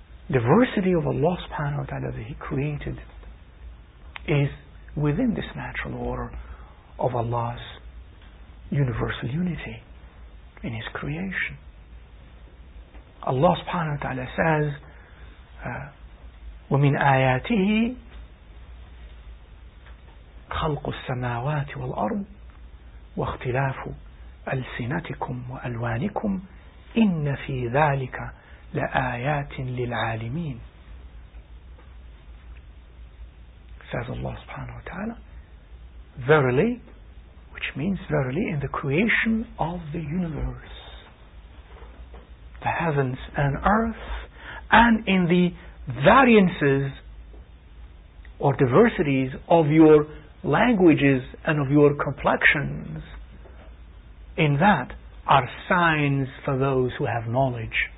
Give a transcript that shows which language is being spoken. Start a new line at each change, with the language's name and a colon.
English: Diversity of Allah subhanahu wa ta'ala that He created is within this natural order of Allah's universal unity in His creation.
Arabic: Allah subhanahu wa ta'ala
English: says,
Arabic: وَمِنْ آيَاتِهِ خَلْقُ السَّمَاوَاتِ وَالْأَرْضِ وَاخْتِلَافُ أَلْسِنَتِكُمْ وَأَلْوَانِكُمْ إِنَّ فِي ذَلِكَ لَآيَاتٍ لِلْعَالِمِينَ, says Allah subhanahu wa ta'ala.
English: Verily, which means verily, in the creation of the universe, the heavens and earth, and in the variances or diversities of your languages and of your complexions, in that are signs for those who have knowledge.